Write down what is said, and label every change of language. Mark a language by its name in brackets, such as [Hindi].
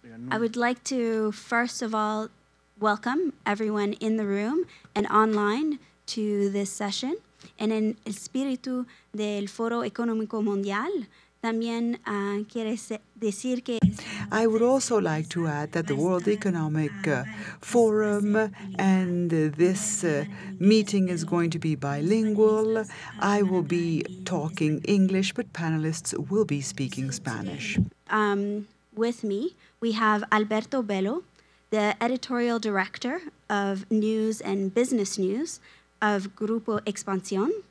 [English] I would like to, first of all, welcome everyone in the room and online to this session. [Spanish] En el espíritu del Foro Económico Mundial, también quiere decir que... [English] I would also like to add that the World Economic Forum and this meeting is going to be bilingual. I will be talking English, but panelists will be speaking Spanish. With me, we have Alberto Bello, the editorial director of news and business news of Grupo Expansión.